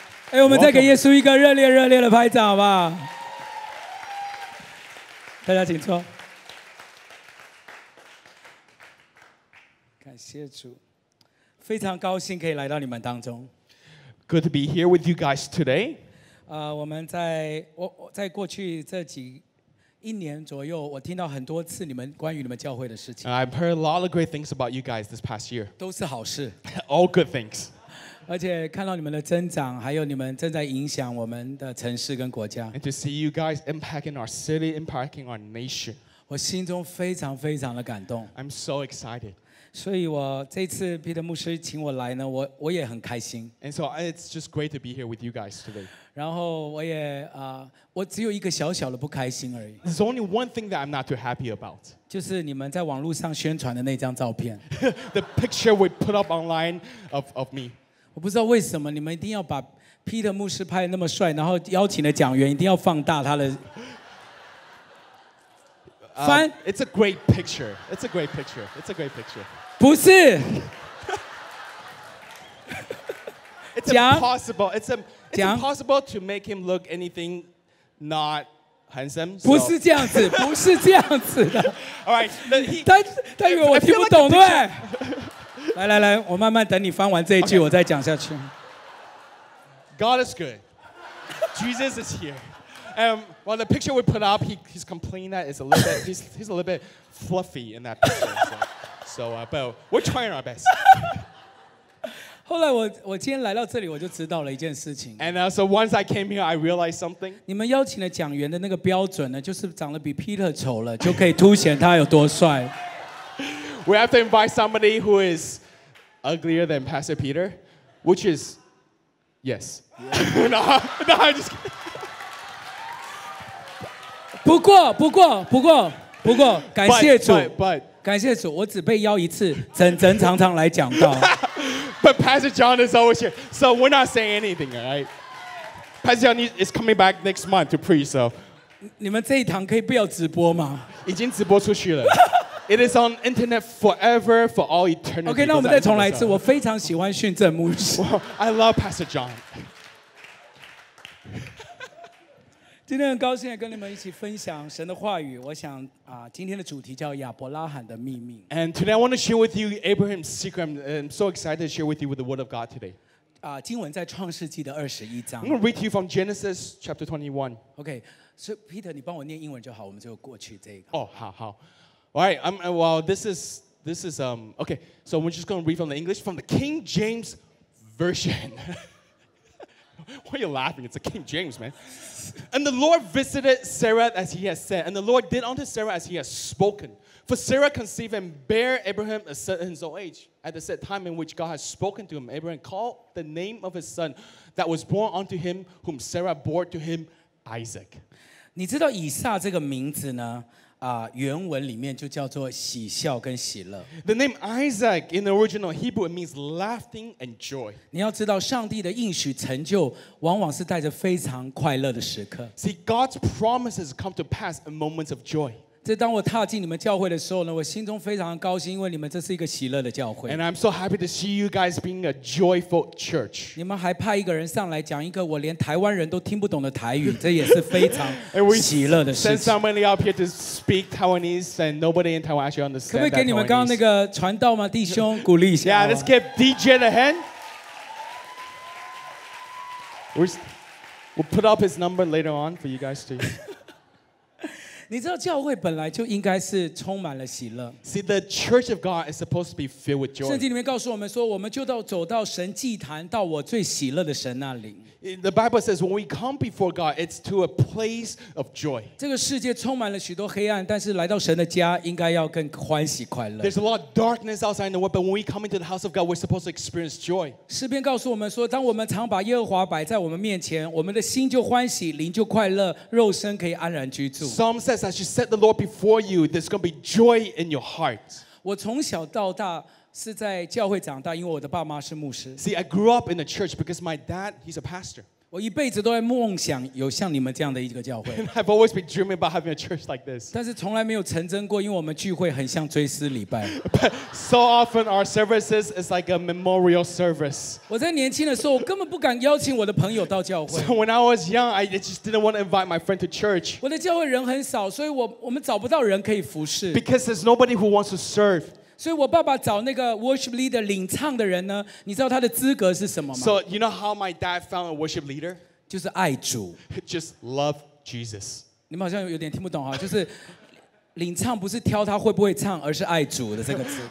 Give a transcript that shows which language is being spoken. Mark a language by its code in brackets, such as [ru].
[zh] 哎，我们再给耶稣一个热烈热烈的拍掌，好不好？大家请坐。感谢主，非常高兴可以来到你们当中。 [en] Good to be here with you guys today. [zh] 我们在在过去这几一年左右，我听到很多次你们关于你们教会的事情。 [en] I've heard a lot of great things about you guys this past year. [zh] 都是好事。 [en] All good things. [zh] 而且看到你们的增长，还有你们正在影响我们的城市跟国家。 [en] And to see you guys impacting our city, impacting our nation. [zh] 我心中非常非常的感动。 [en] I'm so excited. [zh] 所以我这次彼得牧师请我来呢，我也很开心。 [en] And so it's just great to be here with you guys today. [zh] 然后我也我只有一个小小的不开心而已。 [en] There's only one thing that I'm not too happy about. [zh] 就是你们在网络上宣传的那张照片。 [en] The picture we put up online of me. [zh] 我不知道为什么你们一定要把彼得牧师拍得那么帅，然后邀请的讲员一定要放大他的。 [en] It's a great picture. It's a great picture. It's a great picture. [zh] 不是 [en] It's impossible. It's impossible to make him look anything not handsome. [zh] 不是这样子，不是这样子的。 [en] All right, [zh] 他以为我听不懂，对？来来来，我慢慢等你翻完这一句，我再讲下去。 [en] God is good. Jesus is here. Well, the picture we put up, he's complaining that it's a little bit, he's a little bit fluffy in that picture. But we're trying our best. [zh] 后来我今天来到这里，我就知道了一件事情。 [en] And so once I came here, I realized something. [zh] 你们邀请的讲员的那个标准呢，就是长得比 Peter 丑了，就可以凸显他有多帅。 [en] We have to invite somebody who is uglier than Pastor Peter, which is, yes. Yeah. No, I'm just kidding. [zh] 不过，感谢主 [en] but, [zh] 感谢主，我只被邀一次，整常常来讲道。 [en] But Pastor John is always here, so we're not saying anything, right? Pastor John is coming back next month to preach. So, 你们这一堂可以不要直播吗？已经直播出去了。 It is on internet forever for all eternity. [zh] Okay, 那我们再重来一次。我非常喜欢训正牧师。 [en] I love Pastor John. [zh] 今天很高兴跟你们一起分享神的话语。我想今天的主题叫亚伯拉罕的秘密。 [en] And today I want to share with you Abraham's secret. I'm so excited to share with you with the word of God today. [zh] 经文在创世纪的二十一章。 [en] I'm going to read to you from Genesis chapter 21. Okay, so [zh] Peter, 你帮我念英文就好，我们就过去这个。 [en] Oh, [zh] 好。 [en] All right, this is okay. So we're just going to read from the English from the King James version. Why are you laughing? It's a King James, man. And the Lord visited Sarah as he had said, and the Lord did unto Sarah as he had spoken. For Sarah conceived and bare Abraham a son in his old age. At the set time in which God had spoken to him, Abraham called the name of his son that was born unto him, whom Sarah bore to him, Isaac. [zh] 你知道以撒这个名字呢？原文里面就叫做喜笑跟喜乐。 [en] The name Isaac in the original Hebrew means laughing and joy. [zh] 你要知道，上帝的应许成就，往往是带着非常快乐的时刻。 [en] See, God's promises come to pass in moments of joy. [zh] 这当我踏进你们教会的时候呢，我心中非常高兴，因为你们这是一个喜乐的教会。 [en] And I'm so happy to see you guys being a joyful church. [zh] 你们还派一个人上来讲一个我连台湾人都听不懂的台语，这也是非常喜乐的事情。 [en] And we send somebody up here to speak Taiwanese, and nobody in Taiwan actually understands. [zh] 可不可以给你们刚刚那个传道吗，弟兄，鼓励一下 [en] ？Yeah, let's give DJ a hand. We'll put up his number later on for you guys to. [zh] 你知道教会本来就应该是充满了喜乐。 [en] See, the church of God is supposed to be filled with joy. [zh] 圣经里面告诉我们说，我们就要走到神祭坛，到我最喜乐的神那里。 [en] The Bible says, when we come before God, it's to a place of joy. [zh] 这个世界充满了许多黑暗，但是来到神的家，应该要更欢喜快乐。 [en] There's a lot of darkness outside in the world, but when we come into the house of God, we're supposed to experience joy. [zh] 诗篇告诉我们说，当我们常把耶和华摆在我们面前，我们的心就欢喜，灵就快乐，肉身可以安然居住。 [en] Psalm says, as you set the Lord before you, there's going to be joy in your heart. [zh] 我从小到大是在教会长大，因为我的爸妈是牧师。 [en] See, I grew up in the church because my dad, he's a pastor. [zh] 我一辈子都在梦想有像你们这样的一个教会。 [en] I've always been dreaming about having a church like this. [zh] 但是从来没有成真过，因为我们聚会很像追思礼拜。 [en] So often our services is like a memorial service. [zh] 我在年轻的时候，我根本不敢邀请我的朋友到教会。 [en] So when I was young, I just didn't want to invite my friend to church. [zh] 我的教会人很少，所以我们找不到人可以服侍。 [en] Because there's nobody who wants to serve. [zh] 所以我爸爸找那个 worship leader 领唱的人呢，你知道他的资格是什么吗？ [en] So you know how my dad found a worship leader? [zh] 就是爱主。 [en] Just love Jesus. [zh] 你们好像有点听不懂哈，就是领唱不是挑他会不会唱，而是爱主的这个词。